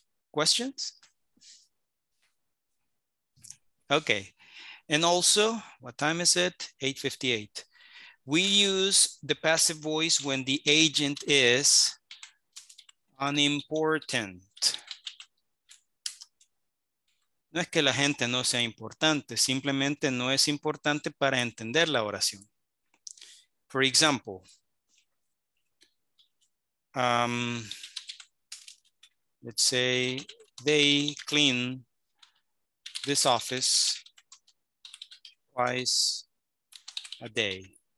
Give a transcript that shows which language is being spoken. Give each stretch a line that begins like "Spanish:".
English: Questions? Okay. And also, what time is it? 8:58. We use the passive voice when the agent is unimportant.
Spanish: No es que la gente no sea importante, simplemente no es importante para entender la oración.
English: For example, let's say they clean this office twice a day.